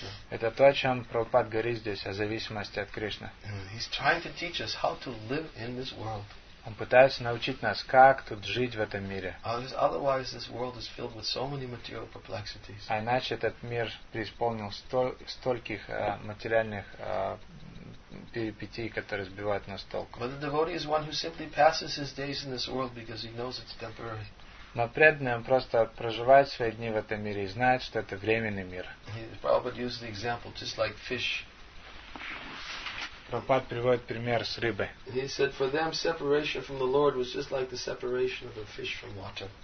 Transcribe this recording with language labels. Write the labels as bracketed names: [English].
[Russian] Это то, о чем Прабхупад говорит здесь, о зависимости от Кришны. Он пытается учить нас, как жить в этом мире. Он пытается научить нас, как тут жить в этом мире. [English] Otherwise, this world is filled with so many material perplexities. [Russian] А иначе этот мир преисполнил стольких материальных перипетий, которые сбивают нас с толку. [English] But the devotee is one who simply passes his days in this world because he knows it's temporary. [Russian] Но преданный, он просто проживает свои дни в этом мире и знает, что это временный мир. [English] Prabhupada used the example just like fish. [Russian] Прабхупад приводит пример с рыбой. [English] He said, for them separation from the Lord was just like the separation of a fish from water.